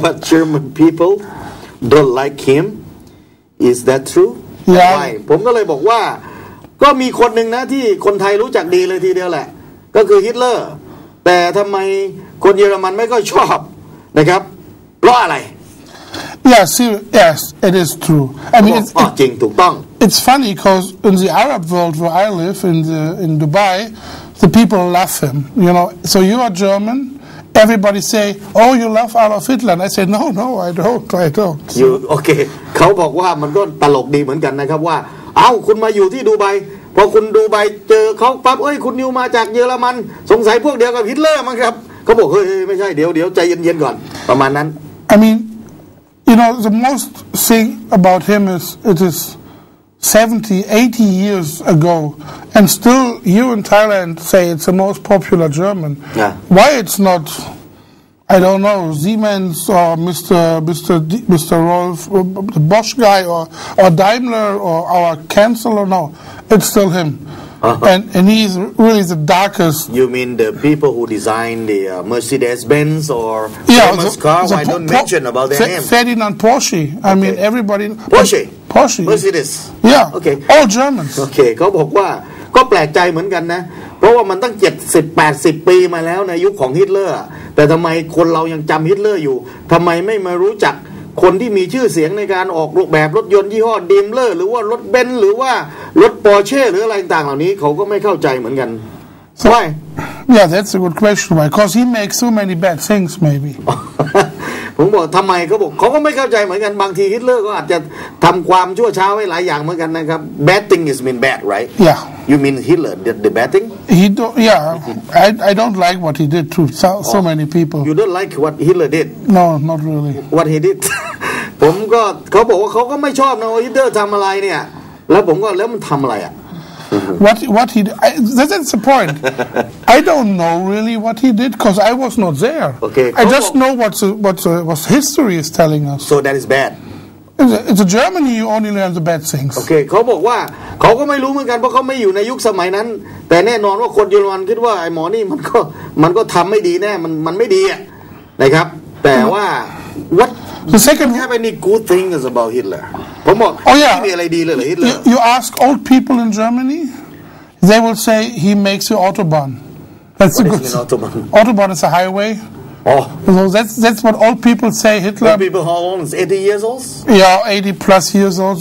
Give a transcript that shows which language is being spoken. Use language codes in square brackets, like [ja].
[en] but German people don't like him is that true yeah. why [th] ผมก็เลยบอกว่าก็มีคนหนึ่งนะที่คนไทยรู้จักดีเลยทีเดียวแหละก็คือฮิตเลอร์แต่ทำไมคนเยอรมันไม่ค่อยชอบนะครับเพราะอะไร [en] Yes, it is true. I mean, it's funny because in the Arab world where I live in Dubai, the people love him. You know, so you are German. Everybody say, "Oh, you love Adolf Hitler." I say, "No, I don't." You okay? [th] เขาบอกว่ามันก็ตลกดีเหมือนกันนะครับว่าเอ้าคุณมาอยู่ที่ดูไบพอคุณดูไบเจอเขาปั๊บเอ้ยคุณนิวมาจากเยอรมันสงสัยพวกเดียวกับฮิตเลอร์มั้งครับเขาบอกเฮ้ยไม่ใช่เดี๋ยวใจเย็นๆก่อนประมาณนั้น [en] I mean you know the most thing about him is it is 70 80 years ago and still you in Thailand say it's the most popular German yeah. why it's not I don't know Siemens or Mr. Rolf the Bosch guy or Daimler or our Chancellor no it's still him uh-huh. and he's really the darkest you mean the people who designed the Mercedes-Benz or yeah, famous car why don't mention about their name Ferdinand Porsche I okay. mean everybody Porsche Mercedes yeah okay all Germans [th] okay เขาบอกว่าก็แปลกใจเหมือนกันนะเพราะว่ามันตั้ง70 80ปีมาแล้วในยุคของฮิตเลอร์แต่ทำไมคนเรายังจำฮิตเลอร์อยู่ทำไมไม่มารู้จักคนที่มีชื่อเสียงในการออกรูปแบบรถยนต์ยี่ห้อดีมเลอร์หรือว่ารถเบนซ์หรือว่ารถปอร์เช่หรืออะไรต่างเหล่านี้เขาก็ไม่เข้าใจเหมือนกัน [en] so, why yeah that's a good question why because he makes so many bad things maybe [th] ผมบอกทำไมเขาก็ไม่เข้าใจเหมือนกันบางทีฮิตเลอร์ก็อาจจะทำความชั่วช้าไว้หลายอย่างเหมือนกันนะครับ [en] bad thing is mean bad right yeah you mean Hitler the bad thing he don't yeah I don't like what he did to so many people you don't like what Hitler did no not really what he did [th] ผมก็เขาบอกว่าเขาก็ไม่ชอบนะฮิตเลอร์ทำอะไรเนี่ยแล้วผมก็แล้วมันทำอะไรอ่ะ [en] What he did, that's the point. I don't know really what he did because I was not there. Okay. I just know what history is telling us. So that is bad. It's a Germany. You only learn the bad things. [th] Okay. เขาบอกว่าเขาก็ไม่รู้เหมือนกันเพราะเขาไม่อยู่ในยุคสมัยนั้นแต่แน่นอนว่าคนเยอรมันคิดว่าไอ้หมอนี่มันก็ทำไม่ดีแน่มันไม่ดีอ่ะนะครับแต่ว่า what [en] The second have any good things about Hitler? [th] ผมบอก โอ้ย มีอะไรดีเลยเหรอฮิตเลอร์ [en] You ask old people in Germany, they will say he makes the autobahn. That's a good autobahn. Autobahn is a highway. Oh, so that's what old people say. Hitler. Old people how old? 80 years old? Yeah, 80 plus years old.